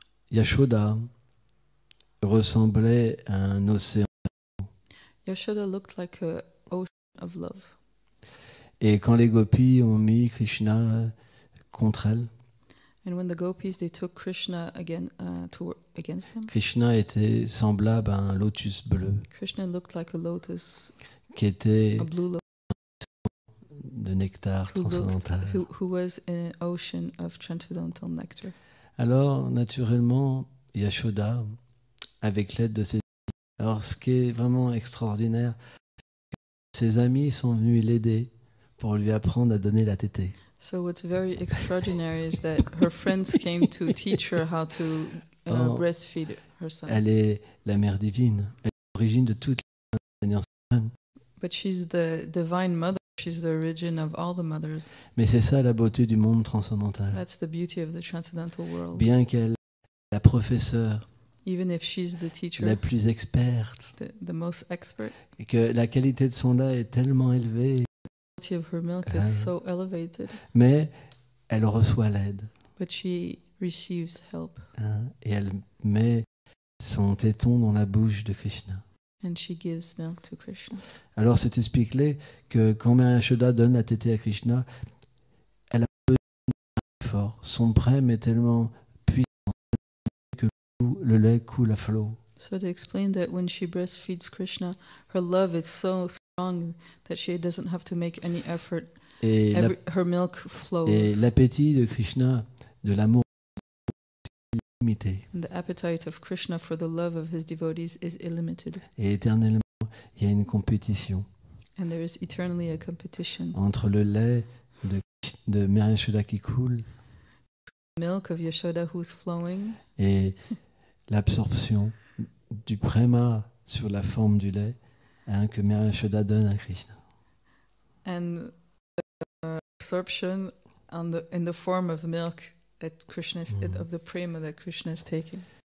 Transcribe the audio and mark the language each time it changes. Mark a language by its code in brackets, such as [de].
[fr] Yashoda ressemblait à un océan d'amour. [en] Yashoda looked like an ocean of love. [fr] Et quand les gopis ont mis Krishna contre elles, [en] and when the gopis they took Krishna again to against him. [fr] Krishna était semblable à un lotus bleu. [en] Krishna looked like a lotus. [fr] Qui était [en] a blue lotus. [fr] De nectar transcendantal. [en] Who was in an ocean of transcendental nectar. [fr] Alors naturellement Yashoda avec l'aide de ses amis. Alors ce qui est vraiment extraordinaire, c'est que ses amis sont venus l'aider pour lui apprendre à donner la tétée. [en] So what's very extraordinary is that her friends came to teach her how to breastfeed her son. [fr] Elle est la mère divine. Elle est l'origine de toutes les mères. [en] But she's the divine mother. She's the origin of all the mothers. [fr] Mais c'est ça la beauté du monde transcendantal. [en] That's the beauty of the transcendental world. [fr] Bien qu'elle soit la professeure. [en] Even if she's the teacher. [fr] La plus experte. [en] The most expert. [fr] Et que la qualité de son lait est tellement élevée. [en] Of her milk is so elevated. [fr] Mais elle reçoit l'aide. [en] But she receives help. [fr] Et elle met son téton dans la bouche de Krishna. [en] And she gives milk to Krishna. [fr] Alors c'est expliqué que quand Mère Yashoda donne la tétée à Krishna, elle a besoin d'un effort. Son prême est tellement puissant que le lait coule à flot. [en] So to explain that when she breastfeeds Krishna, her love is so strong that she doesn't have to make any effort. [fr] Et [en] her milk flows. [fr] Et l'appétit de Krishna, de l'amour, est illimité. [en] And the appetite of Krishna for the love of his devotees is illimited. [fr] Et éternellement, il y a une compétition. [en] And there is eternally a competition. [fr] Entre le lait de Mère Yashoda qui coule. [en] The milk of Yashoda who's flowing. [fr] Et l'absorption. Du prema sur la forme du lait hein, que Mère Yashoda donne à Krishna. [en] And the absorption on the, in the form of milk that Krishna is, of the prema that Krishna is taking.